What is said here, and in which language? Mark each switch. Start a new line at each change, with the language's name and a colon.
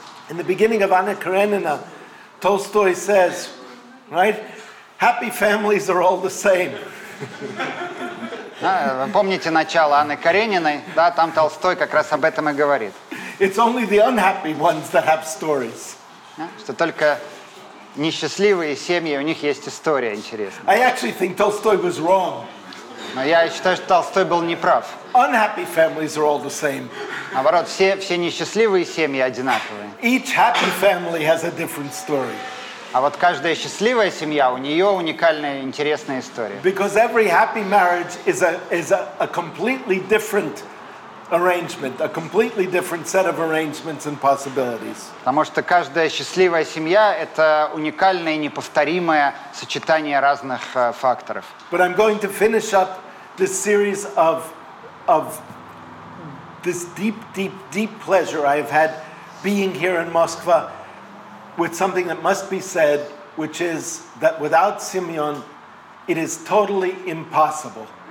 English: In the beginning of Anna Karenina, Tolstoy says, right? Happy families are all the same.
Russian: Помните начало Анны Карениной, да, там Толстой как раз об этом и говорит.
English: It's only the unhappy ones that have stories.
Russian: Что только несчастливые семьи, у них есть история интересная.
English: I actually think Tolstoy was wrong.
Russian: Но я считаю, что Толстой был неправ.
English: Unhappy families are all the same.
Russian: Наоборот, все несчастливые семьи одинаковые.
English: Each happy family has a different story.
Russian: А вот каждая счастливая семья, у нее уникальная интересная история.
English: Because every happy marriage is a completely different arrangement, a completely different set of arrangements and possibilities.
Russian: Потому что каждая счастливая семья – это уникальное и неповторимое сочетание разных факторов.
English: But I'm going to finish up this series of this deep, deep, deep pleasure I have had being here in Moscow with something that must be said, which is that without Simeon, it is totally impossible.